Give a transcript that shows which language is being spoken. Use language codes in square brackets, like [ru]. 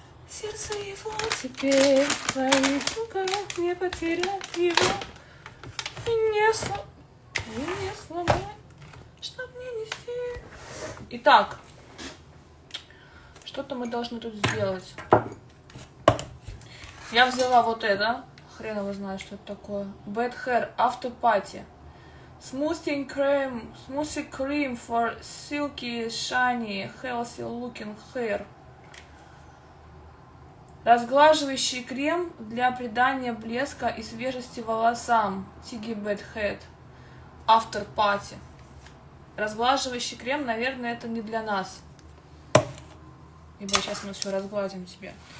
[ru] Сердце его теперь в твоих руках, не потерять его и не сломать, чтоб не нести. Итак, что-то мы должны тут сделать. Я взяла вот это. Хрен его знает, что это такое. [en] Bad Hair After Party. Smoothing cream for silky, shiny, healthy looking hair. [ru] Разглаживающий крем для придания блеска и свежести волосам. [en] Tiggy Bad Head. After Party. [ru] Разглаживающий крем, наверное, это не для нас. Ибо сейчас мы все разгладим тебе.